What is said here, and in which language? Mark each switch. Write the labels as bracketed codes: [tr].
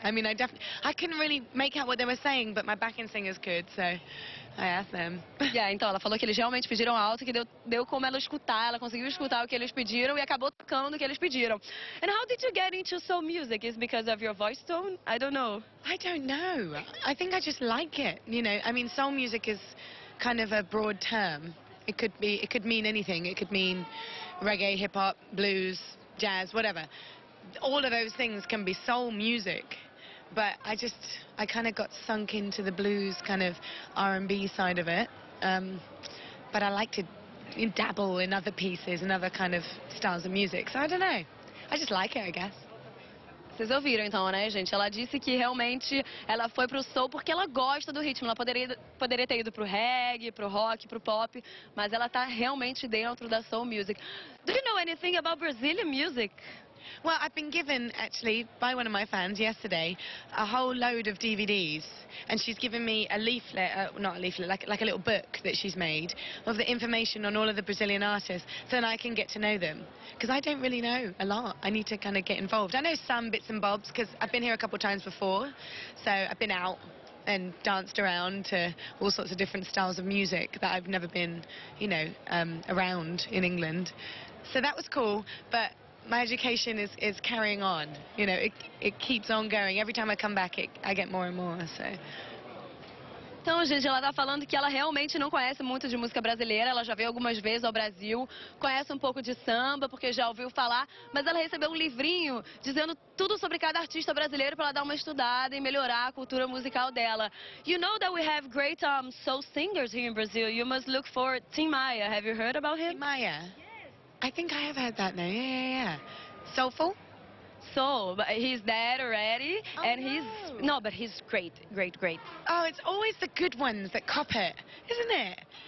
[en] I mean, I couldn't really make out what they were saying, but my backing singers could, so I asked them. [pt] Yeah, então ela falou que eles realmente pediram alto, que deu como ela escutar, ela conseguiu escutar o que eles pediram e acabou tocando o que eles pediram. [en] And how did you get into soul music? Is it because of your voice tone? I don't know. I don't know. I think I just like it, you know. I mean, soul music is kind of a broad term. It could mean anything. It could mean reggae, hip hop, blues, jazz, whatever. All of those things can be soul music, but I kind of got sunk into the blues kind of R&B side of it. But I like to dabble in other pieces and other kind of styles of music, so I don't know. I just like it, I guess. [pt] Vocês ouviram então, né, gente? Ela disse que realmente ela foi pro soul porque ela gosta do ritmo. Ela poderia ter ido pro reggae, pro rock, pro pop, mas ela tá realmente dentro da soul music. [en] Do you know anything about Brazilian music? Well, I've been given, actually, by one of my fans yesterday, a whole load of DVDs. And she's given me a leaflet, not a leaflet, like a little book that she's made of the information on all of the Brazilian artists so that I can get to know them. Because I don't really know a lot. I need to kind of get involved. I know some bits and bobs because I've been here a couple of times before. So I've been out and danced around to all sorts of different styles of music that I've never been, you know, around in England. So that was cool. But my education is carrying on, you know, it keeps on going. Every time I come back, I get more and more, so. [pt] Então, gente, ela tá falando que ela realmente não conhece muito de música brasileira. Ela já veio algumas vezes ao Brasil, conhece um pouco de samba, porque já ouviu falar. Mas ela recebeu um livrinho dizendo tudo sobre cada artista brasileiro para ela dar uma estudada e melhorar a cultura musical dela. [en] You know that we have great soul singers here in Brazil. You must look for Tim Maia. Have you heard about him? Tim Maia? I think I have heard that name. Yeah. Soulful? Soul, but he's dead already. Oh, and no. He's no, but he's great, great, great. Oh, it's always the good ones that cop it, isn't it?